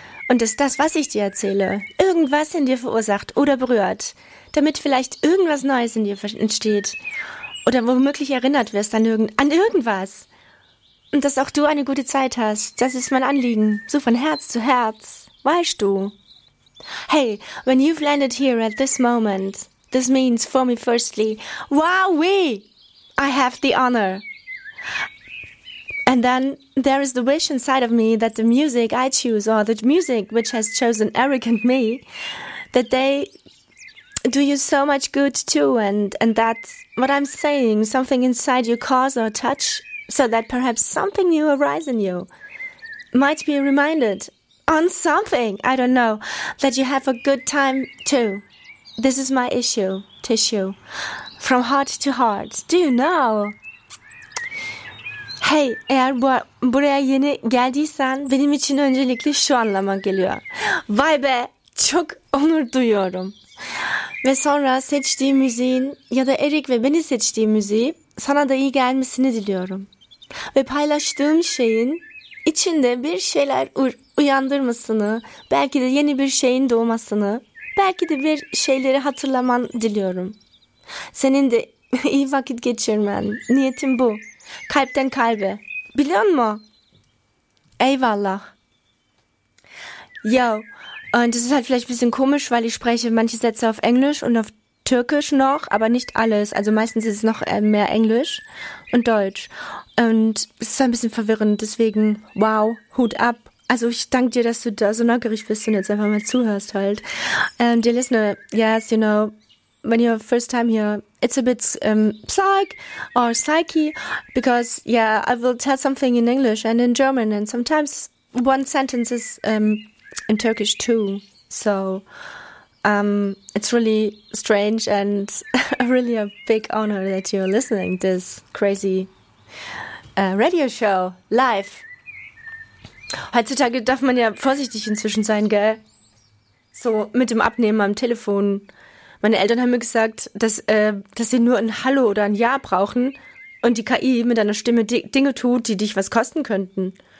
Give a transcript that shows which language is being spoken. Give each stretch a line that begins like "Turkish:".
German: Und dass das, was ich dir erzähle, irgendwas in dir verursacht oder berührt, damit vielleicht irgendwas Neues in dir entsteht oder womöglich erinnert wirst an irgendwas. Und dass auch du eine gute Zeit hast, das ist mein Anliegen, so von Herz zu Herz. Weißt du?
English: Hey, when you've landed here at this moment, this means for me firstly, wowee, I have the honor. And then there is the wish inside of me that the music I choose, or the music which has chosen Eric and me, that they do you so much good too, and that what I'm saying, something inside you cause or touch, so that perhaps something new arise in you, might be reminded on something, I don't know, that you have a good time too. This is my tissue, from heart to heart. Do you know?
Turkish: Hey, eğer buraya yeni geldiysen, benim için öncelikle şu anlama geliyor. Vay be, çok onur duyuyorum. Ve sonra seçtiğim müziğin ya da Eric ve beni seçtiğim müziği sana da iyi gelmesini diliyorum. Ve paylaştığım şeyin içinde bir şeyler uyandırmasını, belki de yeni bir şeyin doğmasını, belki de bir şeyleri hatırlaman diliyorum. Senin de iyi vakit geçirmen, niyetim bu. Kalpten kalbe. Biliyor musun? Eyvallah.
German: Yo, und es ist halt vielleicht ein bisschen komisch, weil ich spreche manche Sätze auf Englisch und auf Türkisch noch, aber nicht alles. Also meistens ist es noch mehr Englisch und Deutsch. Und es ist ein bisschen verwirrend, deswegen wow, Hut ab. Also ich danke dir, dass du da so neugierig bist und jetzt einfach mal zuhörst halt.
English: Dear listener, yes, you know, when you're first time here, it's a bit psych or psyche, because yeah, I will tell something in English and in German and sometimes one sentence is in Turkish too. So it's really strange and really a big honor that you're listening to this crazy radio show live.
German: Heutzutage darf man ja vorsichtig inzwischen sein, gell? So mit dem Abnehmen am Telefon. Meine Eltern haben mir gesagt, dass sie nur ein Hallo oder ein Ja brauchen und die KI mit deiner Stimme Dinge tut, die dich was kosten könnten.